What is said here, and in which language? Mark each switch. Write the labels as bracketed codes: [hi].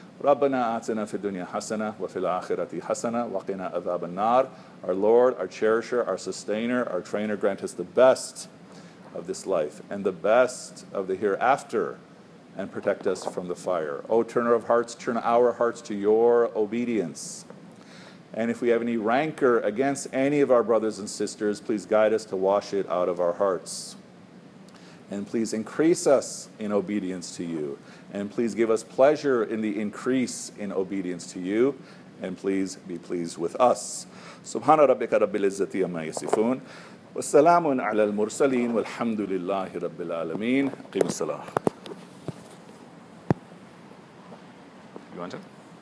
[ar] ربنا آتنا في الدنيا حسنة وفي الآخرة حسنة وقنا عذاب النار. [en] Our Lord, our cherisher, our sustainer, our trainer, grant us the best of this life and the best of the hereafter, and protect us from the fire. O turner of hearts, turn our hearts to your obedience. And if we have any rancor against any of our brothers and sisters, please guide us to wash it out of our hearts. And please increase us in obedience to you. And please give us pleasure in the increase in obedience to you. And please be pleased with us. [ar] Subhana rabbika rabbil izzati amma yasifun. والسلام على المرسلين والحمد لله رب العالمين قيم الصلاة. [en] You want it?